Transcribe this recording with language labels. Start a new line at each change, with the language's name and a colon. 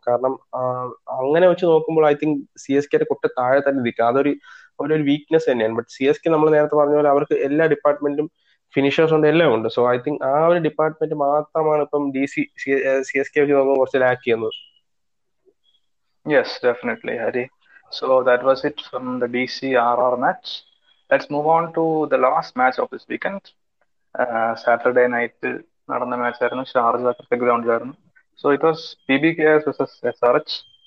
Malayalam: കാരണം അങ്ങനെ വെച്ച് നോക്കുമ്പോൾ
English: I think
Malayalam: സി എസ് കെയുടെ കുട്ടി താഴെ തന്നെ നിൽക്കുക, അതൊരു ഒരു വീക്ക്നെസ് തന്നെയാണ്. ബട്ട് സി എസ് കെ നമ്മൾ നേരത്തെ പറഞ്ഞ പോലെ അവർക്ക് എല്ലാ ഡിപ്പാർട്ട്മെന്റും ഫിനിഷേഴ്സ് ഉണ്ട്, എല്ലാം ഉണ്ട്.
English: so I think
Malayalam: ആ ഒരു ഡിപ്പാർട്ട്മെന്റ് മാത്രമാണ് ഇപ്പം D C C S K വെച്ച് നോക്കുമ്പോൾ കുറച്ച് ലാക്ക് ചെയ്യുന്നത്.
English: Yes, definitely, Hari. So that was it from the DC RR match. Let's move on to the last match of this weekend. Saturday night,
Malayalam: നടന്ന match ആയിരുന്നു, Sharjah cricket ഗ്രൗണ്ടിലായിരുന്നു.
English: So it was P B K S versus S R H.